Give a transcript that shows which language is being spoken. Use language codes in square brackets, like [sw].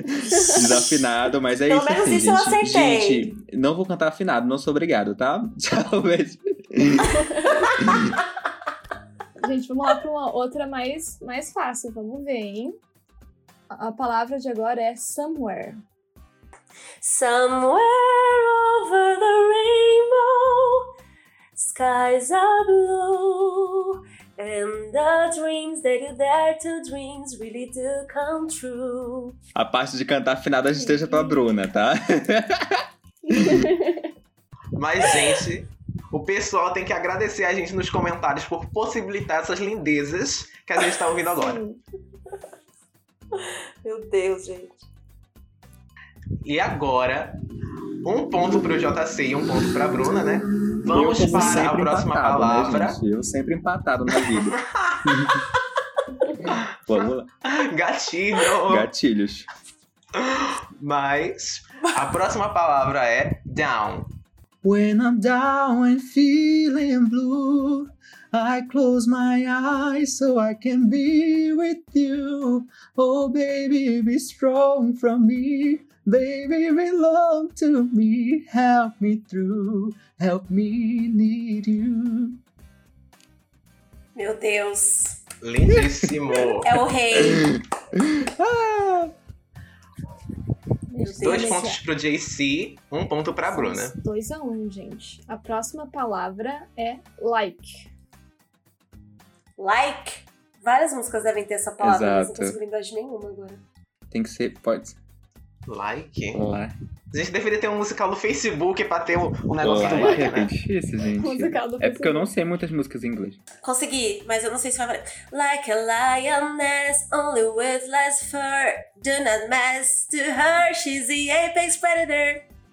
[pt] Desafinado, mas é isso. Pelo menos assim, isso, gente. Eu acertei. Gente, não vou cantar afinado, não sou obrigado, tá? Tchau, beijo. Gente, vamos lá para uma outra mais fácil, vamos ver, hein? A palavra de agora é somewhere. [en] Somewhere over the rainbow, skies are blue. And the dreams that you dare to dream really do come true. [pt] A parte de cantar afinada a gente deixa pra Bruna, tá? Mas, gente, o pessoal tem que agradecer a gente nos comentários por possibilitar essas lindezas que a gente tá ouvindo agora. Meu Deus, gente. E agora, um ponto pro JC e um ponto pra Bruna, né? Vamos para a próxima palavra. Né, eu sempre empatado na vida. Vamos lá. Gatilho. Gatilhos. Mas a próxima palavra é down. [en] When I'm down and feeling blue, I close my eyes so I can be with you. Oh baby, be strong for me. Baby, belong to me, help me through, help me need you. [pt] Meu Deus. Lindíssimo. É o rei. Dois pontos pro JC, um ponto pra Bruna. 2-1, gente. A próxima palavra é like. [en] Like? [pt] Várias músicas devem ter essa palavra, mas não tô lembrando de nenhuma agora. Tem que ser, pode ser. [en] Like? [pt] Olá. A gente deveria ter um musical no Facebook pra ter um negócio [en] like, [pt] do like, né? É difícil, gente. É porque eu não sei muitas músicas em inglês. Consegui, mas eu não sei se vai valer. [en] Like a lioness, only with less fur. Do not mess to her, she's the apex predator.